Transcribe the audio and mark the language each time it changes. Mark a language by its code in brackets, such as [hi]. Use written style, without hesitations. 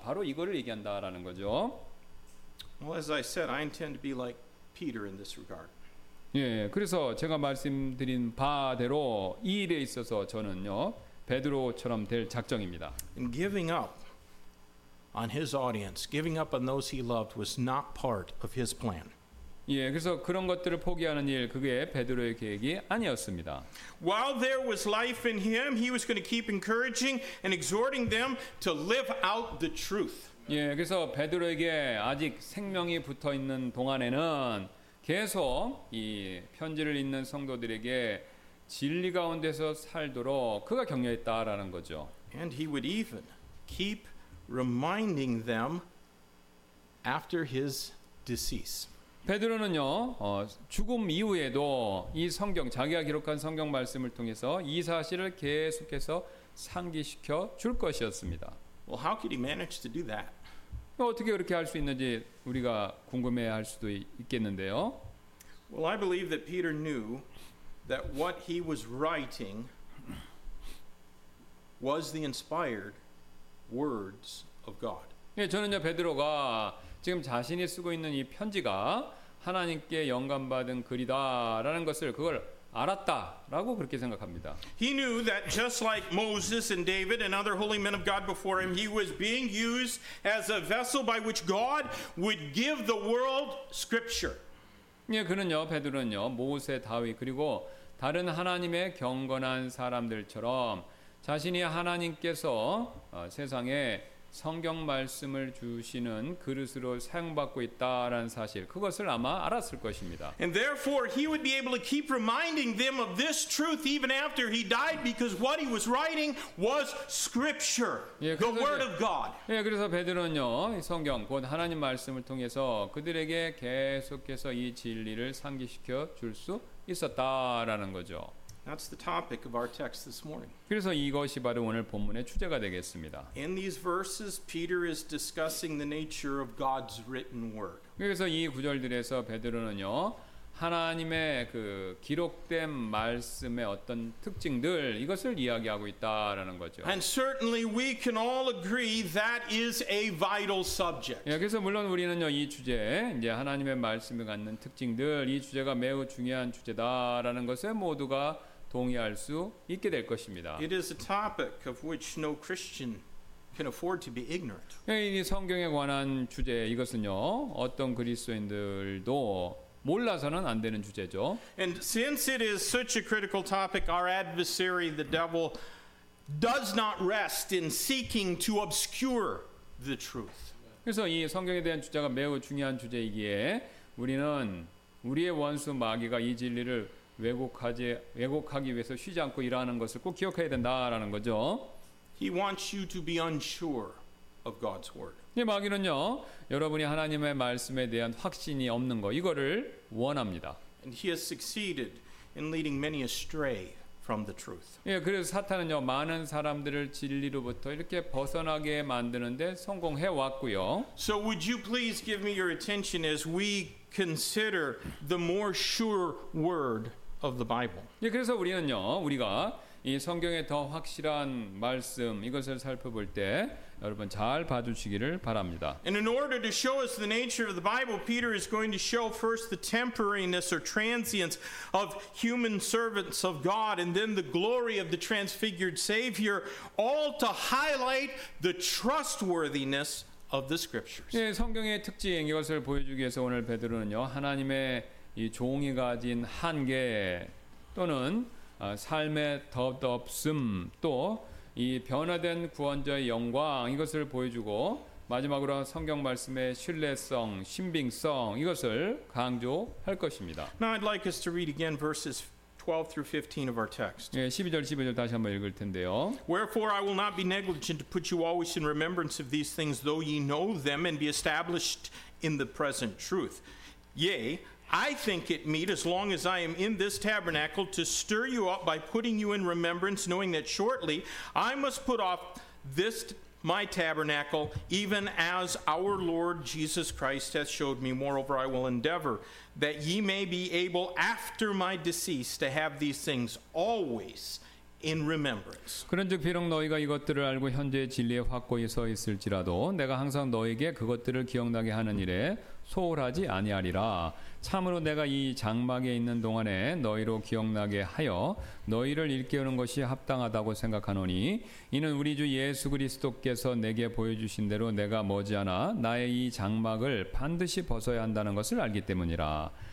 [ko] 바로 이거를 얘기한다라는 거죠. [en] Well, as I said, I intend to be like Peter in this regard. [ko] 예, 그래서 제가 말씀드린 바대로 이 일에 있어서 저는요, 베드로처럼 될 작정입니다. [en] In giving up on his audience, giving up on those he loved was not part of his plan. [ko] 예, 그래서 그런 것들을 포기하는 일 그게 베드로의 계획이 아니었습니다. [en] While there was life in him, he was going to keep encouraging and exhorting them to live out the truth. [ko] 예, 그래서 베드로에게 아직 생명이 붙어 있는 동안에는 계속 이 편지를 읽는 성도들에게 진리 가운데서 살도록 그가 격려했다라는 거죠. [en] And he would even keep reminding them after his decease. [ko] 베드로는요, 죽음 이후에도 이 성경, 자기가 기록한 성경 말씀을 통해서 이 사실을 계속해서 상기시켜 줄 것이었습니다. [en] Well, how could he manage to do that? [ko] 어떻게 그렇게 할 수 있는지 우리가 궁금해할 수도 있겠는데요. [en] Well, I believe that Peter knew that what he was writing was the inspired words of God. [ko] 예, 저는요 베드로가 지금 자신이 쓰고 있는 이 편지가 하나님께 영감받은 글이다라는 것을 그걸 알았다라고 그렇게 생각합니다. [en] He knew that just like Moses and David and other holy men of God before him, he was being used as a vessel by which God would give the world Scripture. [ko] 예, 그는요 베드로는요 모세, 다윗 그리고 다른 하나님의 경건한 사람들처럼 자신이 하나님께서 세상에 성경 말씀을 주시는 그릇으로 사용받고 있다라는 사실 그것을 아마 알았을 것입니다. [en] And therefore he would be able to keep reminding them of this truth even after he died because what he was writing was scripture. [ko] 예, [en] the word of God. [ko] 예, 그래서 베드로는요. 성경 곧 하나님 말씀을 통해서 그들에게 계속해서 이 진리를 상기시켜 줄 수 있었다라는 거죠. [en] That's the topic of our text this morning. [ko] 그래서 이것이 바로 오늘 본문의 주제가 되겠습니다. [en] In these verses, Peter is discussing the nature of God's written word. [ko] 그래서 이 구절들에서 베드로는요, 하나님의 그 기록된 말씀의 어떤 특징들 이것을 이야기하고 있다라는 거죠. [en] And certainly we can all agree that is a vital subject. [ko] 예, 그래서 물론 우리는요 이 주제, 이제 하나님의 말씀이 갖는 특징들 이 주제가 매우 중요한 주제다라는 것에 모두가 동의할 수 있게 될 것입니다. [en] It is a topic of which no Christian can afford to be ignorant. [ko] 예, 이 성경에 관한 주제 이것은요 어떤 그리스도인들도 몰라서는 안 되는 주제죠. [en] And since it is such a critical topic, our adversary, the devil, does not rest in seeking to obscure the truth. [ko] 그래서 이 성경에 대한 주제가 매우 중요한 주제이기에 우리는 우리의 원수 마귀가 이 진리를 왜곡하기 위해서 쉬지 않고 일하는 것을 꼭 기억해야 된다라는 거죠. [en] He wants you to be unsure of God's word. [ko] 예, 마귀는요 여러분이 하나님의 말씀에 대한 확신이 없는 거 이거를 원합니다. [en] And he has succeeded in leading many astray from the truth. [ko] 예, 그래서 사탄은요 많은 사람들을 진리로부터 이렇게 벗어나게 만드는데 성공해 왔고요. [en] So would you please give me your attention as we consider the more sure word of the Bible? [ko] 예, 그래서 우리는요 우리가 이 성경의 더 확실한 말씀 이것을 살펴볼 때 여러분 잘 봐주시기를 바랍니다. [en] And in order to show us the nature of the Bible, Peter is going to show first the temporariness or transience of human servants of God, and then the glory of the transfigured Savior, all to highlight the trustworthiness of the Scriptures. [ko] 예, 성경의 특징 이것을 보여주기 위해서 오늘 베드로는요 하나님의 이 종이 가진 한계 또는 삶의 덧없음 또 이 변화된 구원자의 영광 이것을 보여주고 마지막으로 성경 말씀의 신뢰성, 신빙성 이것을 강조할 것입니다. [en] Now I'd like us to read again verses 12 through 15 of our text. [ko] 예, 12절 다시 한번 읽을 텐데요. [en] Wherefore I will not be negligent to put you always in remembrance of these things, though ye know them and be established in the present truth. Yea, I think it meet, as long as I am in this tabernacle, to stir you up by putting you in remembrance, knowing that shortly I must put off this my tabernacle, even as our Lord Jesus Christ hath showed me. Moreover, I will endeavor that ye may be able, after my decease, to have these things always in remembrance. [ko] 그런즉 비록 너희가 이것들을 알고 현재 진리에 확고히 서 있을지라도 내가 항상 너희에게 그것들을 기억나게 하는 일에 소홀하지 아니하리라. 참으로 내가 이 장막에 있는 동안에 너희로 기억나게 하여 너희를 일깨우는 것이 합당하다고 생각하노니 이는 우리 주 예수 그리스도께서 내게 보여주신 대로 내가 머지않아 나의 이 장막을 반드시 벗어야 한다는 것을 알기 때문이라.